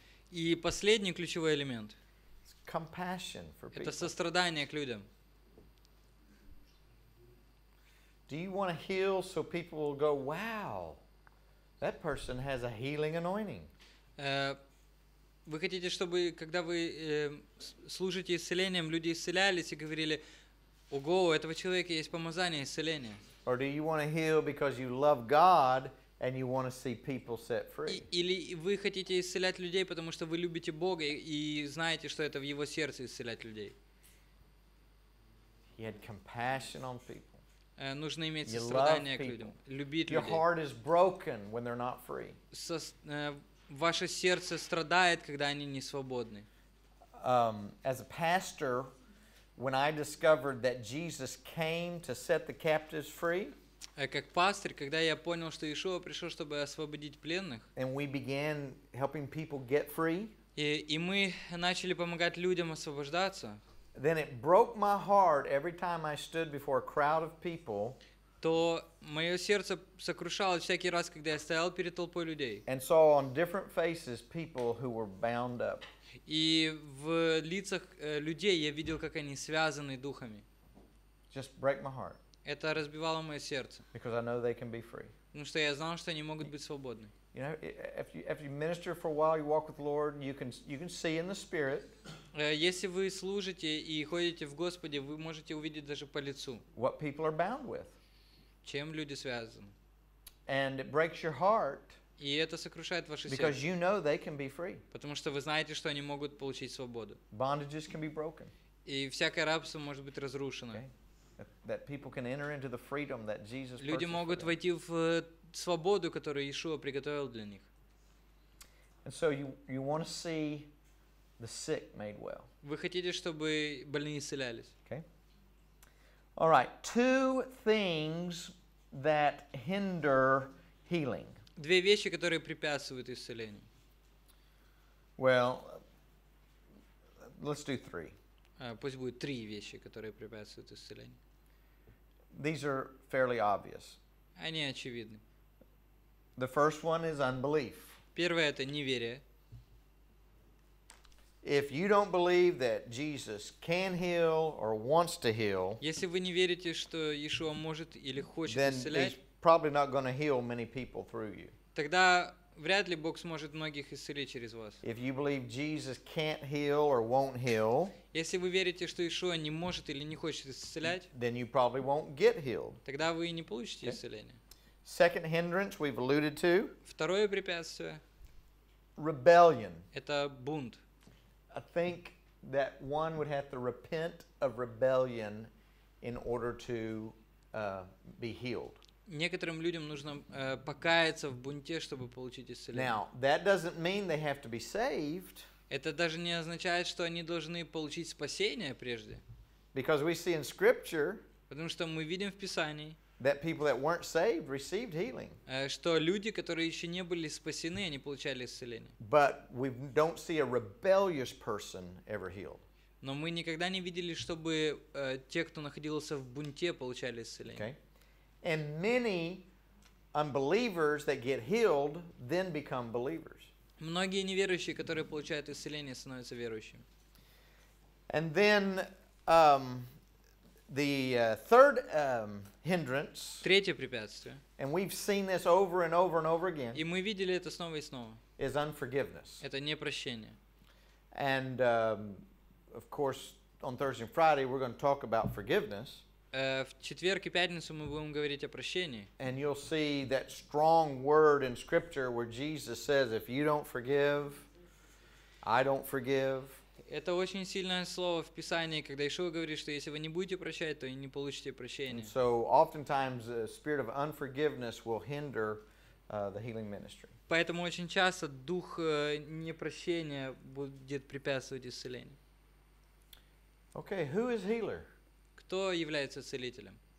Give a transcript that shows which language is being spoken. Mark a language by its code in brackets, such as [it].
[ru] И последний ключевой элемент. [en] Compassion for people. [ru] Это сострадание к людям. [en] Do you want to heal so people will go, wow, that person has a healing anointing? [ru] Вы хотите, чтобы когда вы служите исцелением, люди исцелялись и говорили, ого, у этого человека есть помазание исцеления? [en] Or do you want to heal because you love God and you want to see people set free? [ru] Или вы хотите исцелять людей, потому что вы любите Бога и знаете, что это в Его сердце исцелять людей? [en] He had compassion on people. [ru] Нужно иметь сострадание к людям, любить людей. [en] Your heart is broken when they're not free. [ru] Ваше сердце страдает, когда они не свободны. [en] As a pastor, when I discovered that Jesus came to set the captives free, [ru] как пастор, когда я понял, что Иешуа пришел, чтобы освободить пленных, [en] and we began helping people get free, [ru] и мы начали помогать людям освобождаться, [en] then it broke my heart every time I stood before a crowd of people, [ru] то мое сердце сокрушалось всякий раз, когда я стоял перед толпой людей. [en] And saw on different faces people who were bound up. [ru] И в лицах людей я видел, как они связаны духами. [en] Just break my heart. [ru] Это разбивало мое сердце. [en] Because I know they can be free. [ru] Потому что я знал, что они могут быть свободны. [en] You know, if you minister for a while, you walk with the Lord, you can see in the spirit. [ru] Если вы служите и ходите в Господе, вы можете увидеть даже по лицу. [en] What people are bound with. [ru] Чем люди связаны. [en] And it breaks your heart. [ru] И это сокрушает ваше сердце. [en] Because you know they can be free. [ru] Потому что вы знаете, что они могут получить свободу. [en] Bondages can be broken. [ru] И всякое рабство может быть разрушено. [en] That people can enter into the freedom that Jesus. [ru] Люди могут войти в свободу, которую Иешуа приготовил для них. [en] And so you want to see the sick made well. [ru] Вы хотите, чтобы больные исцелялись. [en] Okay. All right. Two things that hinder healing. [ru] Две вещи, которые препятствуют исцелению. [en] Well, let's do three. [ru] Пусть будет три вещи, которые препятствуют исцелению. [en] These are fairly obvious. [ru] Они очевидны. [en] The first one is unbelief. [ru] Первое — это неверие. [en] If you don't believe that Jesus can heal or wants to heal, [ru] если вы не верите, что Иешуа может или хочет исцелять, [en] then he's probably not going to heal many people through you. [ru] Тогда вряд ли Бог сможет многих исцелить через вас. [en] If you believe Jesus can't heal or won't heal, [ru] если вы верите, что Иешуа не может или не хочет исцелять, [en] then you probably won't get healed. [ru] Тогда вы и не получите исцеление. [en] Second hindrance we've alluded to. [ru] Второе препятствие. [en] Rebellion. [ru] Это бунт. [en] I think that one would have to repent of rebellion in order to be healed. [ru] Некоторым людям нужно покаяться в бунте, чтобы получить исцеление. [en] Now, that doesn't mean they have to be saved. [ru] Это даже не означает, что они должны получить спасение прежде. [en] Because we see in Scripture, [ru] потому что мы видим в Писании, [en] that people that weren't saved received healing. [ru] Что люди, которые еще не были спасены, они получали исцеление. [en] But we don't see a rebellious person ever healed. [ru] Но мы никогда не видели, чтобы те, кто находился в бунте, получали исцеление. [en] Okay. And many unbelievers that get healed then become believers. [ru] Многие неверующие, которые получают исцеление, становятся верующими. [en] And then the third hindrance. [ru] Третье препятствие. [en] And we've seen this over and over and over again. [ru] И мы видели это снова и снова. [en] Is unforgiveness. [ru] Это непрощение. [en] And of course, on Thursday and Friday, we're going to talk about forgiveness. [ru] В четверг и пятницу мы будем говорить о прощении. [en] And you'll see that strong word in Scripture where Jesus says, "If you don't forgive, I don't forgive." [ru] Это очень сильное слово в Писании, когда Иешуа говорит, что если вы не будете прощать, то и не получите прощения. [en] So oftentimes the spirit of unforgiveness will hinder the healing ministry. [ru] Поэтому очень часто дух непрощения будет препятствовать исцелению. [en] Okay, who is healer? [ru] Кто является целителем?